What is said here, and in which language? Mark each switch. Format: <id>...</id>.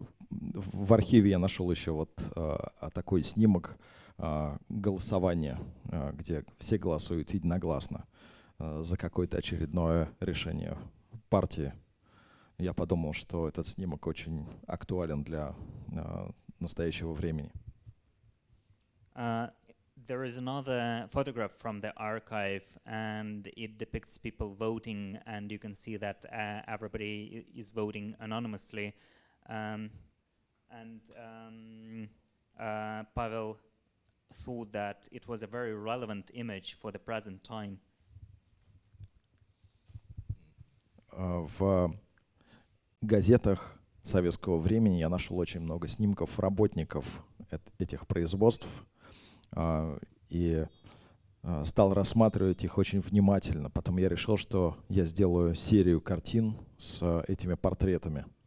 <ru>В архиве я нашел еще вот такой снимок голосования, где все голосуют единогласно за какое-то очередное решение партии. Я подумал, что этот снимок очень актуален для настоящего времени.</ru> <en>There is another photograph from the archive, and it depicts people voting, and you can see that everybody is voting anonymously. Pavel thought that it was a very relevant image for the present time.</en> <ru>В газетах советского времени я нашел очень много снимков работников этих производств и стал рассматривать их очень внимательно. Потом я решил, что я сделаю серию картин с этими портретами.</ru>